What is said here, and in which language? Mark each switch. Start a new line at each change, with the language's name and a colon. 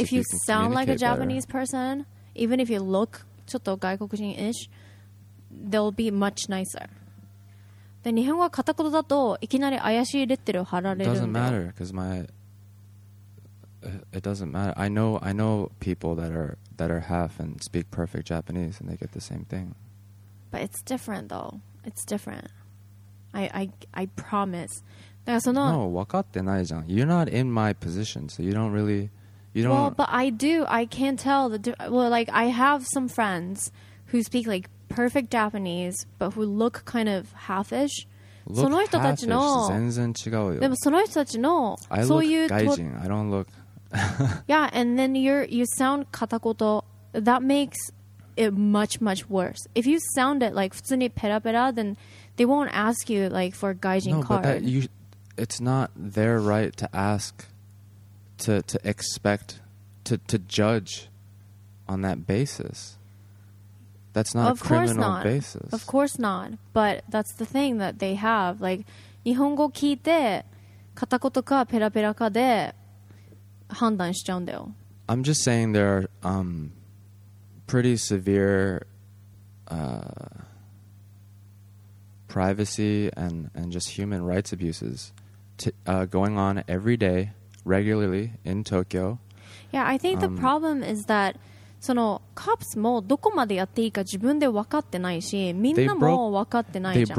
English: if you sound like a Japanese person, even if you look
Japanese: ちょっと
English: 外国人-ish, they'll be much nicer.
Japanese: で日本語は片言だといきなり怪しいレッテルを貼られるんだよ。
English: It doesn't matter, because it doesn't matter. I know people that are half and speak perfect Japanese, and they get the same thing. But it's different, though. It's different. I promise.
Japanese: だからその No, 分かってないじゃん。
English: You're not in my position, so you don't really you don't. Well, but I do. I can tell I have some friends who speak like. Perfect Japanese, but who look kind of halfish.
Japanese: その人たちの全然違うよ。でもその人たちのそういう外人。
English: I don't look. Yeah, and then you sound 片言.That makes it much much worse. If you sound it like
Japanese: 普通にペラペラ,
English: then they won't ask you like for 外人 card. No, but that it's not their right to ask to expect to judge on that basis. That's not of a criminal course not. Basis. Of course not. But that's the thing that they have.
Japanese: Like, 日本語聞いて片言かペラペラかで判断しちゃうんだよ。
English: I'm just saying there are pretty severe privacy and just human rights abuses going on every day, regularly in Tokyo. Yeah, I think the problem is that
Japanese: その cops もどこまでやっていいか自分で分かってないし、みんなも分かってないじゃん。